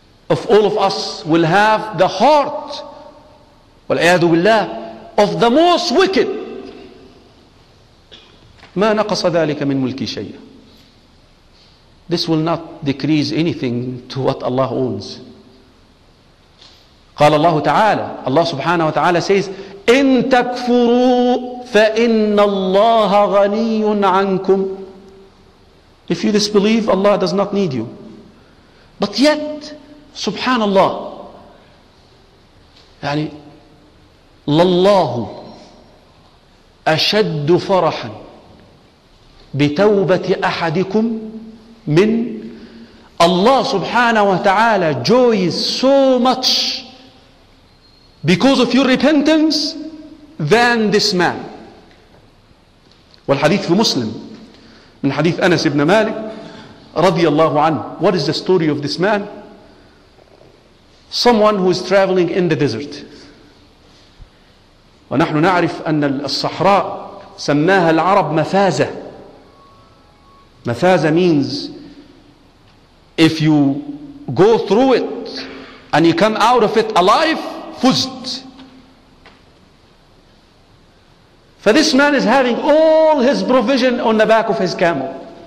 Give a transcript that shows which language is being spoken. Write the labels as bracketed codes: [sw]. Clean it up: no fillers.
[en] of all of us will have the heart, [ar] والعياذ بالله, [en] of the most wicked, [ar] ما نقص ذلك من ملكي شيء. [en] This will not decrease anything to what Allah owns. [ar] قال الله تعالى, الله سبحانه وتعالى [en] says, [ar] إن تكفروا فإن الله غني عنكم. [en] If you disbelieve, Allah does not need you. But yet, [ar] subhanallah, يعني لله أشد فرحا بتوبة أحدكم من [en] Allah subhanahu wa ta'ala joys so much because of your repentance than this man. [ar] والحديث في مسلم من حديث أنس بن مالك رضي الله عنه. [en] What is the story of this man? Someone who is traveling in the desert. [ar] ونحن نعرف أن الصحراء سماها العرب مفازة. [en] مفازة means if you go through it and you come out of it alive, [ar] فزت. [en] For this man is having all his provision on the back of his camel.